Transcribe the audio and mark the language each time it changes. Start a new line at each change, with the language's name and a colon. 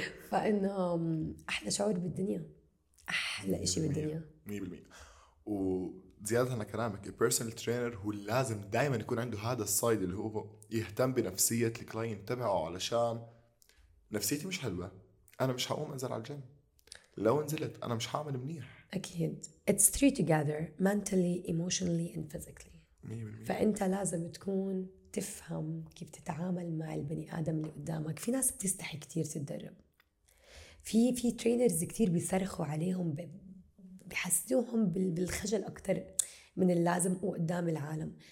Arabic: فإنه أحلى شعور بالدنيا، أحلى إشي بالدنيا 100%. وزيادة على كلامك، البيرسونال ترينر هو لازم دائما يكون عنده هذا الصيد اللي هو يهتم بنفسية الكلاين تبعه، علشان نفسيتي مش حلوة أنا مش هقوم أنزل على الجيم، لو انزلت أنا مش هعمل منيح. أكيد
English: it's three together mentally emotionally and physically. 100%.
Arabic: فأنت لازم تكون تفهم كيف تتعامل مع البني آدم اللي قدامك. في ناس بتستحي كتير تتدرب، في ترينرز كتير بيصرخوا عليهم، بحسدوهم بالخجل أكتر من اللازم وقدام العالم.